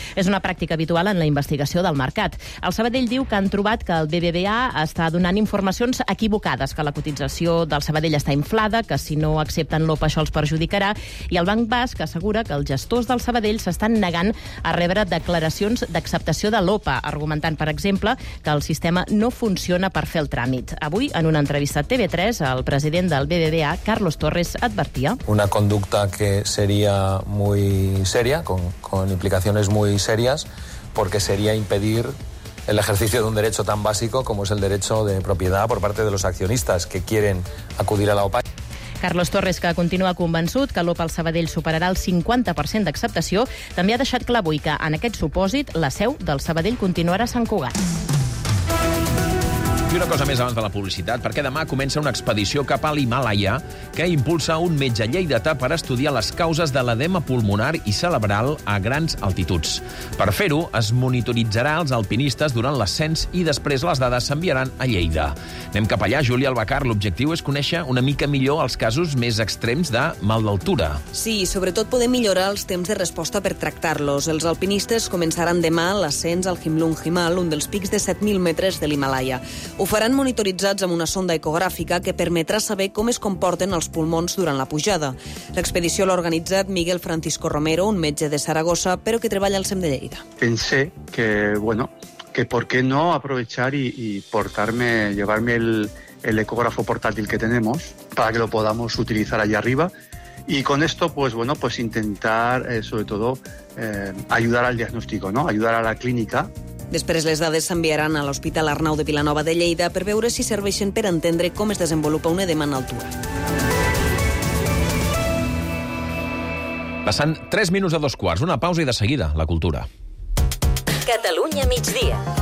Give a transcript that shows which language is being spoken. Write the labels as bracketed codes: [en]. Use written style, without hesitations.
[ca] És una pràctica habitual en la investigació del mercat. El Sabadell diu que han trobat que el BBVA està donant informacions equivocades, que la cotització del Sabadell està inflada, que si no accepten l'OPA això els perjudicarà, i el Banc Basc assegura que els gestors del Sabadell s'estan negant a rebre declaracions d'acceptació de l'OPA, argumentant, per exemple, que el sistema no funciona per fer el tràmit. Avui, en una entrevista a TV3, el president del BBVA, Carlos Torres, advertia... [es] Una conducta que seria muy seria, con implicaciones muy serias, porque sería impedir el ejercicio de un derecho tan básico como es el derecho de propiedad por parte de los accionistas que quieren acudir a la OPA. [ca] Carlos Torres, que continua convençut que l'OPA al Sabadell superarà el 50% d'acceptació, també ha deixat clar avui que, en aquest supòsit, la seu del Sabadell continuarà a Sant Cugat. I una cosa més abans de la publicitat, perquè demà comença una expedició cap a l'Himàlaia que impulsa un metge lleidatà per estudiar les causes de l'edema pulmonar i cerebral a grans altituds. Per fer-ho, es monitoritzarà els alpinistes durant l'ascens i després les dades s'enviaran a Lleida. Anem cap allà, Júlia Albacar. L'objectiu és conèixer una mica millor els casos més extrems de mal d'altura. Sí, sobretot poder millorar els temps de resposta per tractar-los. Els alpinistes començaran demà l'ascens al Himlung Himal, un dels pics de 7.000 metres de l'Himàlaia. Ho faran monitoritzats amb una sonda ecogràfica que permetrà saber com es comporten els pulmons durant la pujada. L'expedició l'ha organitzat Miguel Francisco Romero, un metge de Saragossa, però que treballa al SEM de Lleida. [es] Pensé que, bueno, que por qué no aprovechar y portarme, llevarme el ecógrafo portátil que tenemos para que lo podamos utilizar allá arriba. Y con esto, pues bueno, pues intentar, sobre todo, ayudar al diagnóstico, ¿no? Ayudar a la clínica. [ca] Després les dades s'enviaran a l'Hospital Arnau de Vilanova de Lleida per veure si serveixen per entendre com es desenvolupa un edema en altura. Passant 3 minuts a 2 quarts, una pausa i de seguida la cultura. Catalunya migdia.